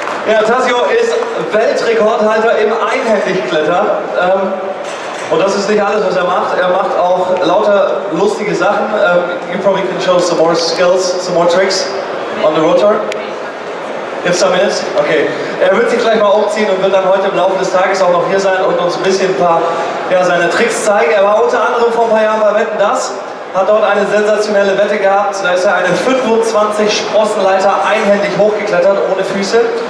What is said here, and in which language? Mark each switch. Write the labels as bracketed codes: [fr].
[de] Ja, Tazio ist Weltrekordhalter im Einhändigkletter. Und das ist nicht alles, was er macht. Er macht auch lauter lustige Sachen. [en] You probably can show some more skills, some more tricks on the rotor. If some is. Okay. [de] Er wird sich gleich mal umziehen und wird dann heute im Laufe des Tages auch noch hier sein und uns ein bisschen ein paar seine Tricks zeigen. Er war unter anderem vor ein paar Jahren bei Wetten, dass, hat dort eine sensationelle Wette gehabt. Da ist er eine 25 Sprossenleiter einhändig hochgeklettert, ohne Füße.